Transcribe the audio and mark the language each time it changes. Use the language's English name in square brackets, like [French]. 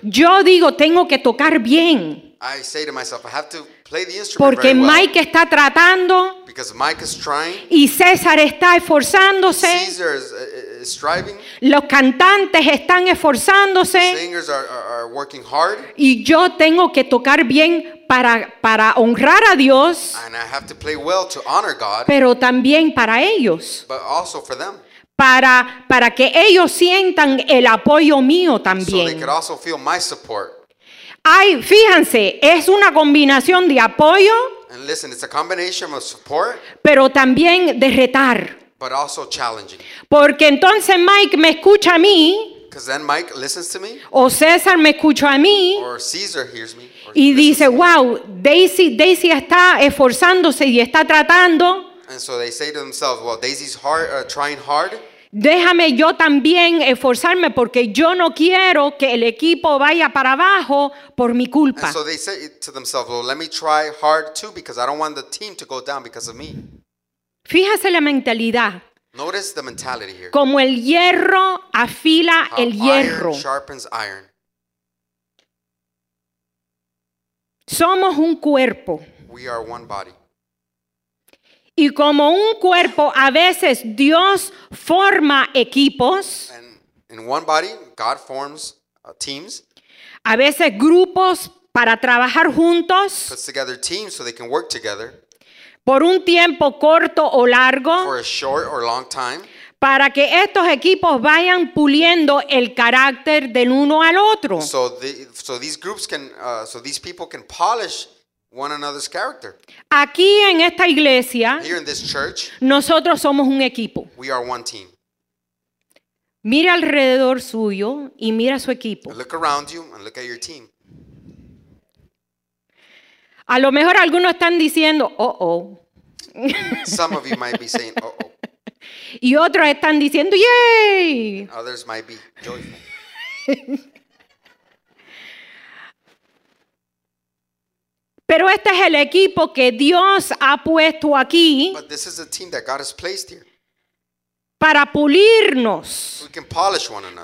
[Spanish] Yo digo, tengo que tocar bien. [English] I say to myself, I have to play the instrument [Spanish] porque [English] very [Spanish] Mike [English] well. [Spanish] Está tratando. [English] Because Mike is trying. [Spanish] Y César está esforzándose. [English] Caesar is striving. [Spanish] Los cantantes están esforzándose. [English] The singers are working hard. [Spanish] Y yo tengo que tocar bien para honrar a Dios. [English] And I have to play well to honor God. [Spanish] Pero también para ellos. [English] But also for them. [Spanish] Para que ellos sientan el apoyo mío también. [English] So they could also feel my support. [Spanish] Ay, fíjense, es una combinación de apoyo. [English] And listen, it's a combination of support. [Spanish] Pero también de retar. [English] But also challenging. [Spanish] Porque entonces Mike me escucha a mí. [English] Because then Mike listens to me. [Spanish] O César me escucha a mí. [English] Or Caesar hears me. [Spanish] Y dice, wow, Daisy está esforzándose y está tratando. [English] And so they say to themselves, well, Daisy's hard, trying hard. [Spanish] Déjame yo también esforzarme porque yo no quiero que el equipo vaya para abajo por mi culpa. [English] And so they say to themselves, well, let me try hard too because I don't want the team to go down because of me. [Spanish] Fíjese la mentalidad. [English] Notice the mentality here. [Spanish] Como el hierro afila [English] how [Spanish] el hierro. [English] Iron sharpens iron. [Spanish] Somos un cuerpo. [English] We are one body. [Spanish] Y como un cuerpo, a veces Dios forma equipos. [English] And in one body, God forms teams. [Spanish] A veces grupos para trabajar juntos. [English] Puts together teams so they can work together. [Spanish] Por un tiempo corto o largo. [English] For a short or long time. [Spanish] para que estos equipos vayan puliendo el carácter del uno al otro. [English] So these people can polish one another's character. [Spanish] Aquí en esta iglesia, [English] here in this church, [Spanish] nosotros somos un equipo. [English] We are one team. [Spanish] Mire alrededor suyo y mira su equipo. [English] Look around you and look at your team. [Spanish] A lo mejor algunos están diciendo, oh, oh. [English] Some of you might be saying, oh, oh. [Spanish] Y otros están diciendo, yay. [English] And others might be joyful. [Spanish] Pero este es el equipo que Dios ha puesto aquí. [English] But this is the team that God has placed here. [Spanish] Para pulirnos. [English] We can polish one another.